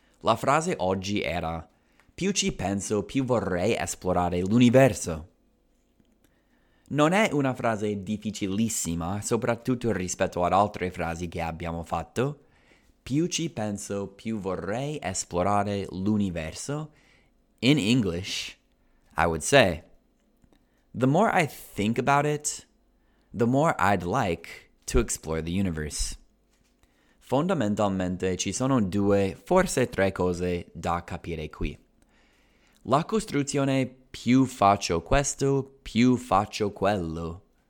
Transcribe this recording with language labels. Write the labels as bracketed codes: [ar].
[it] La frase oggi era, più ci penso, più vorrei esplorare l'universo. Non è una frase difficilissima, soprattutto rispetto ad altre frasi che abbiamo fatto. Più ci penso, più vorrei esplorare l'universo. [en] In English, I would say, the more I think about it, the more I'd like to explore the universe. [it] Fondamentalmente ci sono due, forse tre cose da capire qui. La costruzione più faccio questo, più faccio quello.